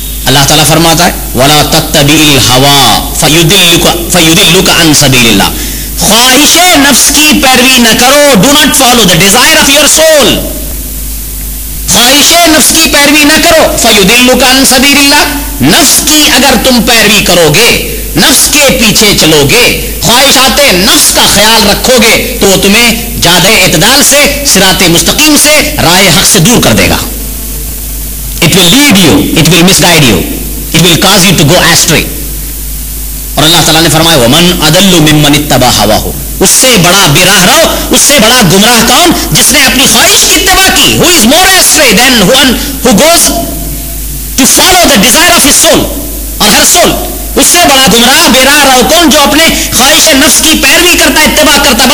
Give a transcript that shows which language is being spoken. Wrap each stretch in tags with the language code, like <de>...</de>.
<ur>اللہ تعالیٰ فرماتا ہے,</ur> <ar>وَلَا تَتَّبِعِ الْهَوَى فَيُدِلُّكَ عَن سَبِيلِ اللَّهِ,</ar> <ur>خواہشِ نفس کی پیروی نہ کرو,</ur> <en>do not follow the desire of your soul,</en> <ur>خواہشِ نفس کی پیروی نہ کرو,</ur> <ar>فَيُدِلُّكَ عَن سَبِيلِ اللَّهِ,</ar> <ur>نفس کی اگر تم پیروی کرو گے, نفس کے پیچھے چلو گے, خواہشات نفس کا خیال رکھو گے تو وہ تمہیں جادہ اعتدال سے, صراط مستقیم سے, رائے حق سے دور کر دے گا.</ur> <en>It will lead you, it will misguide you, it will cause you to go astray.</en> <ur>اور اللہ تعالیٰ نے فرمایا,</ur> <ar>وَمَنْ أَضَلُّ مِمَّنِ اتَّبَعَ هَوَاهُ,</ar> <ur>اس سے بڑا براہ رو, اس سے بڑا گمراہ کون جس نے اپنی خواہش کی اتباع کی.</ur> <en>Who is more astray than one who goes to follow the desire of his soul or her soul,</en> <ur>اس سے بڑا گمراہ براہ رو کون جو اپنے خواہش نفس کی پیروی کرتا ہے,</ur> <en>اتباع کرتا ہے.</en>